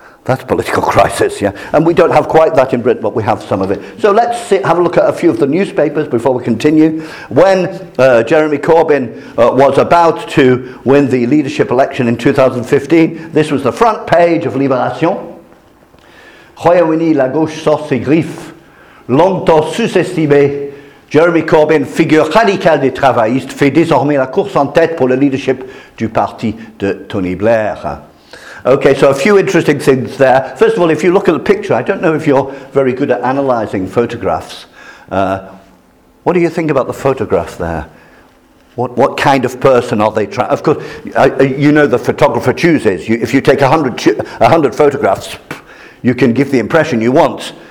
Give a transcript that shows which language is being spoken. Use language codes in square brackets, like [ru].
[en] That's political crisis, yeah. And we don't have quite that in Britain, but we have some of it. So let's have a look at a few of the newspapers before we continue. When Jeremy Corbyn was about to win the leadership election in 2015, this was the front page of Libération. [fr] Royaume-Uni, la gauche sort ses griffes. Longtemps sous-estimé, Jeremy Corbyn, figure radicale des travaillistes, fait désormais la course en tête pour le leadership du parti de Tony Blair. [en] Okay, so a few interesting things there. First of all, if you look at the picture, I don't know if you're very good at analysing photographs. What do you think about the photograph there? What kind of person are they trying? Of course, you know the photographer chooses. If you take 100 photographs, you can give the impression you want.